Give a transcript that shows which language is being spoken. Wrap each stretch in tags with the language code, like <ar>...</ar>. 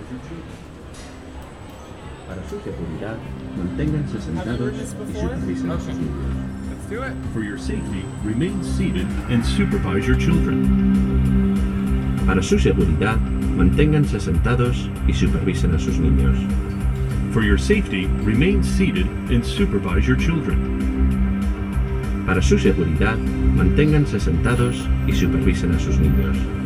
<es>Para su seguridad, manténganse sentados y supervisen a sus niños.</es> <en>Let's do it. For your safety, remain seated and supervise your children.</en> <es>Para su seguridad, manténganse sentados y supervisen a sus niños.</es> <en>For your safety, remain seated and supervise your children.</en> <es>Para su seguridad, manténganse sentados y supervisen a sus niños.</es>